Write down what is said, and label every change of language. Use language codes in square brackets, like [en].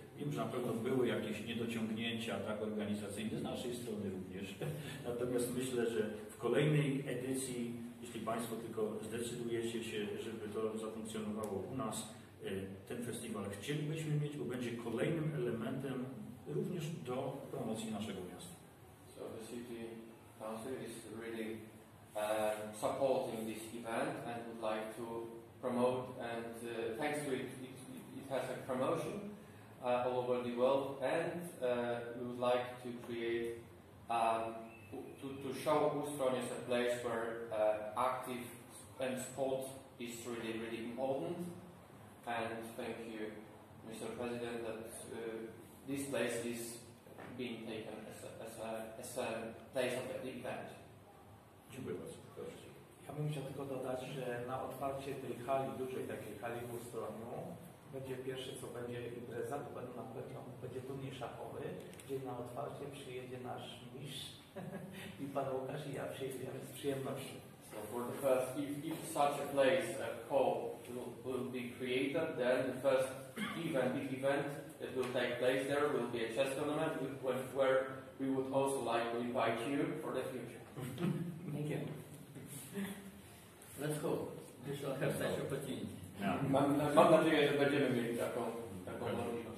[pl] Wiem, że na pewno były jakieś niedociągnięcia tak organizacyjne z naszej strony również. Natomiast myślę, że w kolejnej edycji, jeśli Państwo tylko zdecydujecie się, żeby to zafunkcjonowało u nas, ten festiwal chcielibyśmy mieć, bo będzie kolejnym elementem również do promocji naszego miasta. [en] So the City Council is really supporting this event and would like to promote, and thanks to it has a promotion all over the world, and we would like to create to show Ustron is a place where active and sport is really, really important. And thank you, Mr. President, that this place is being taken as a place of the event. [pl] Dziękuję bardzo. Proszę. Ja bym chciał tylko dodać, że na otwarcie tej hali, dużej takiej hali w Ustroniu, będzie pierwsze, co będzie impreza, to będą na pewno będzie turniej szachowy, gdzie na otwarcie przyjedzie nasz mistrz i pan Łukasz i ja przyjedziemy z przyjemnością. [en] So for the first, if such a place, a hall, will be created, then the first event, big event that will take place there will be a chess tournament where we would also like to invite you for the future. Thank you. Let's go. We shall have such opportunity. [pl] Mam nadzieję, że będziemy mieli taką możliwość.